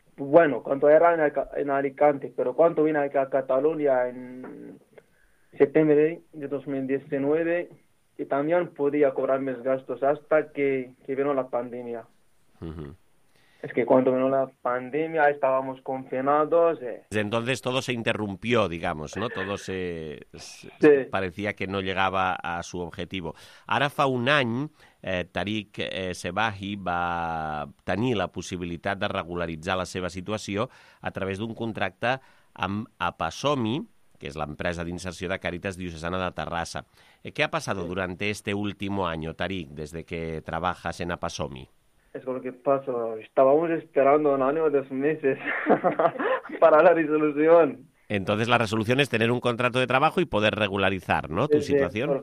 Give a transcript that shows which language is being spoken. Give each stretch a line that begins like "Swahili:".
Spanish: Bueno, cuando era en Alicante, pero cuando vine acá a Cataluña en septiembre de 2019, y también podía cobrar mis gastos hasta que vino la pandemia. Uh-huh. Es que cuando vino la pandemia estábamos confinados. Desde entonces todo se interrumpió, digamos, ¿no? Todo se sí. Parecía que no llegaba a su objetivo.
Catalan: Ara fa un any, Tariq Sebahi va tenir la possibilitat de regularitzar la seva situació a través d'un contracte amb APASOMI, que és l'empresa d'inserció de Càritas Diocesana de Terrassa.
Spanish: ¿Qué ha pasado durante este último año, Tariq, desde que trabajas en APASOMI? Es lo que pasó. Estábamos esperando un año o 2 meses para la resolución. Entonces la resolución es tener un contrato de trabajo y poder regularizar, ¿no?, tu situación.